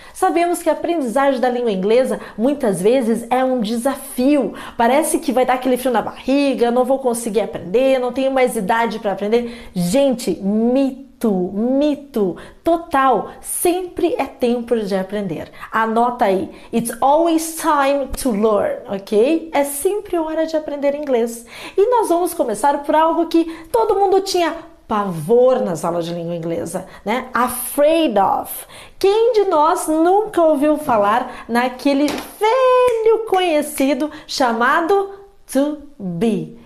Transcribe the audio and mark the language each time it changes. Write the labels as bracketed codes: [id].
[pt] Sabemos que a aprendizagem da língua inglesa muitas vezes é um desafio. Parece que vai dar aquele frio na barriga, não vou conseguir aprender, não tenho mais idade para aprender. Gente, mito total, sempre é tempo de aprender. Anota aí, [en] it's always time to learn, [pt] ok? É sempre hora de aprender inglês. E nós vamos começar por algo que todo mundo tinha pavor nas aulas de língua inglesa, né? [en] Afraid of. [pt] Quem de nós nunca ouviu falar naquele velho conhecido chamado to be?